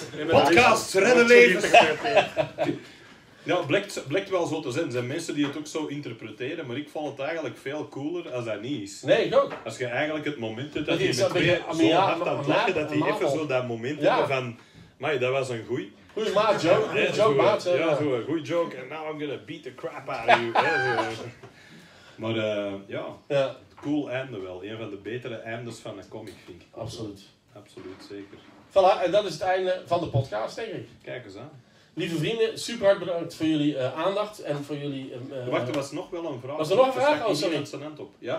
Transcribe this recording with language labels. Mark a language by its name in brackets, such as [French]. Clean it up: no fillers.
[Dutch] Podcast, redden levens. Ja, blijkt wel zo te zijn. Er zijn mensen die het ook zo interpreteren, maar ik vond het eigenlijk veel cooler als dat niet is. Nee, ik ook. Als je eigenlijk het moment hebt dat hij met twee zo hard aan het lachen, dat hij even zo dat moment hebben van, maar dat was een goeie. Goeie maat, joke. Ja, zo'n goeie joke. [English] And now I'm gonna beat the crap out of you. [Dutch] Maar ja, cool einde wel. Een van de betere eindes van een comic, vind ik. Absoluut. Absoluut, zeker. Voilà, en dat is het einde van de podcast, denk ik. Kijk eens aan. Lieve vrienden, super hard bedankt voor jullie aandacht en voor jullie... Wacht, er was nog wel een vraag. Was er nog een vraag? Oh, sorry. Ik zijn hand op. Ja,